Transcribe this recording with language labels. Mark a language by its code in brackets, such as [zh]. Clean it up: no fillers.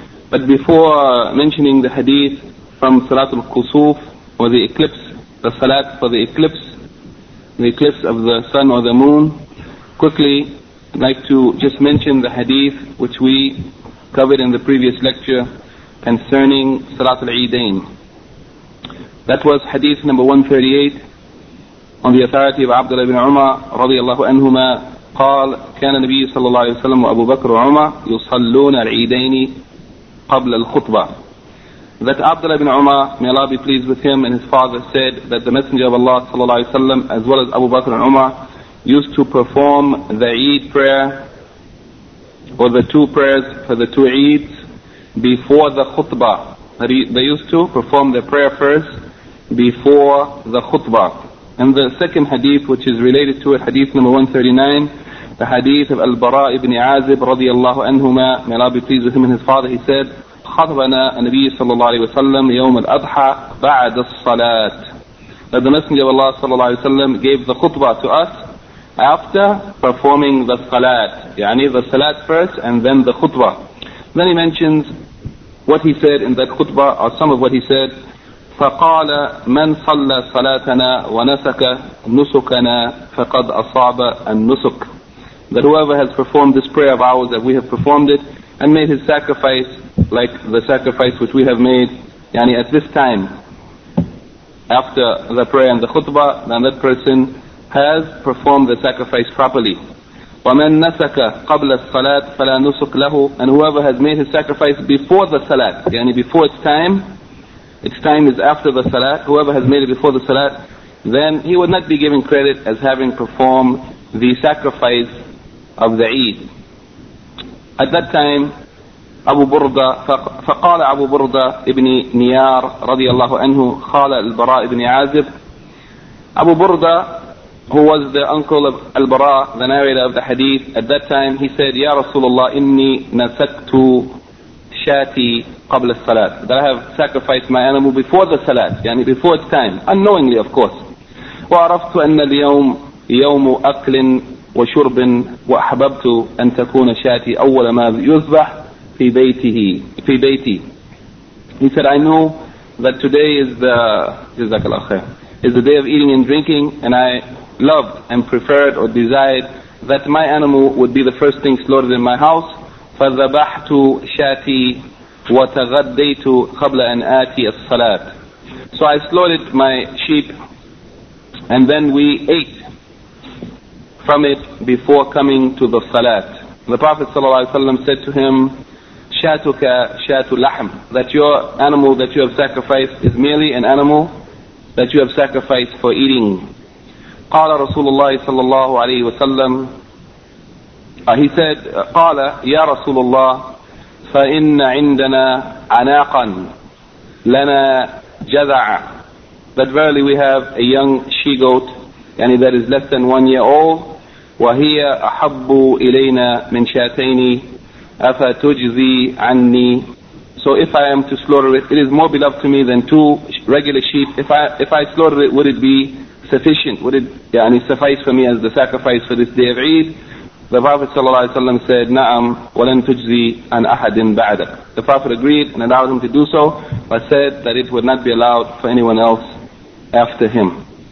[en] But before mentioning the hadith from Salat al-Khusuf, or the eclipse, the Salat for the eclipse of the sun or the moon, quickly, I'd like to just mention the hadith which we covered in the previous lecture concerning Salat al-Eidain. That was hadith number 138 on the authority of Abdullah ibn Umar radiallahu anhuma. [ar] قال كان النبي صلى الله عليه وسلم وأبو بكر وعمر يصلون العيدين قبل الخطبة. [en] That Abdullah ibn Umar, may Allah be pleased with him and his father, said that the Messenger of Allah صلى الله عليه وسلم as well as Abu Bakr and Umar used to perform the Eid prayer or the two prayers for the two Eids before the khutbah. They used to perform the prayer first before the khutbah. And the second hadith, which is related to it, hadith number 139, the hadith of Al-Bara ibn Azib radiyallahu anhuma, may Allah be pleased with him and his father, he said, [ar] خَطْبَنَا النَّبِيِّ صَلَّى اللَّهُ عَلَيْهِ وَسَلَّمْ يَوْمَ الْأَضْحَى بَعَدَ الصَّلَاةِ. [en] That the Messenger of Allah صلى الله عليه وسلم gave the khutbah to us after performing the salat. يعني the salat first and then the khutbah. Then he mentions what he said in that khutbah, or some of what he said. [ar] فقال من صلى صلاتنا ونسك نسكنا فقد أصاب النسك. [en] That whoever has performed this prayer of ours, that we have performed it and made his sacrifice like the sacrifice which we have made, yani at this time after the prayer and the khutbah, then that person has performed the sacrifice properly. [ar] ومن نسك قبل الصلاة فلا نسك له. [en] And whoever has made his sacrifice before the salat, yani before its time, its time is after the salat, whoever has made it before the salat, then he would not be given credit as having performed the sacrifice of the Eid. At that time, [ar] Abu Burda, فَقَالَ أَبُو بُرْدَى إِبْنِ نِيَارَ رَضِيَ اللَّهُ عَنْهُ خَالَ الْبَرَاءِ إِبْنِ عَازِبْ. [en] Abu Burda, who was the uncle of Al-Bara, the narrator of the hadith, at that time he said, [ar] يَا رَسُولَ اللَّهِ إِنِّي نَسَكْتُ شَاتِي قبل الصلاة. [en] That I have sacrificed my animal before the salat, yani before its time, unknowingly of course. [ar] وعرفت أن اليوم يوم أكل وشرب وأحببت أن تكون شاتي أول ما يذبح في بيته في بيتي. [en] He said, I know that today is the day of eating and drinking, and I loved and preferred or desired that my animal would be the first thing slaughtered in my house. [ar] فذبحت شاتي وتغديت قبل أن آتي الصلاة. [en] So I slaughtered my sheep and then we ate from it before coming to the salat. The Prophet صلى الله عليه وسلم said to him, [ar] شاتك شات لحم. [en] That your animal that you have sacrificed is merely an animal that you have sacrificed for eating. [ar] قال رسول الله صلى الله عليه وسلم, [en] he said, [ar] قال يا رسول الله فَإِنَّ عِنْدَنَا عَنَاقًا لَنَا جَذَعًا. [en] That verily we have a young she-goat, yani that is less than 1 year old, [ar] وهي أحب إلينا من شاتين أفتجزي عني. [en] So if I am to slaughter it, it is more beloved to me than two regular sheep. If I slaughter it, would it be sufficient? Would it يعني suffice for me as the sacrifice for this day of Eid? The Prophet sallallahu alaihi wasallam said, [ar] "Na'am, walan tujzi an ahadin ba'dak." [en] The Prophet agreed and allowed him to do so, but said that it would not be allowed for anyone else after him.